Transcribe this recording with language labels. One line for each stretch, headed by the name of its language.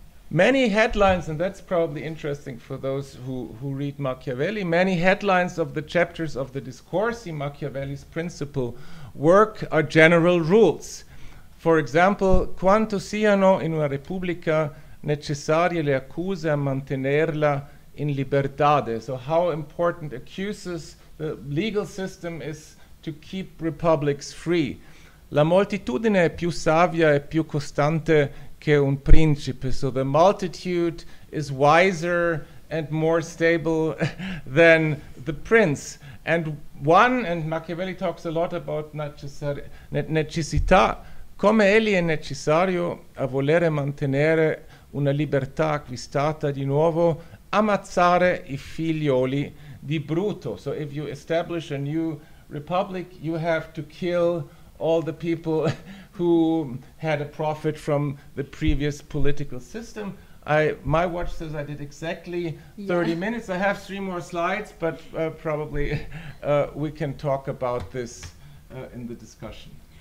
English: Many headlines, and that's probably interesting for those who read Machiavelli, many headlines of the chapters of the discourse in Machiavelli's principal work are general rules. For example,
Italian: quanto siano in una repubblica necessarie le accuse a mantenerla in libertade.
English: So how important accuses the legal system is to keep republics free.
Italian: La moltitudine è più savia e più costante che un principe.
English: So the multitude is wiser and more stable than the prince. And Machiavelli talks a lot about necessità.
Italian: Come egli è necessario a volere mantenere una libertà acquistata di nuovo, ammazzare i figlioli di Bruto.
English: So if you establish a new republic, you have to kill all the people who had a profit from the previous political system. My watch says I did exactly 30 minutes. I have three more slides, but probably we can talk about this in the discussion.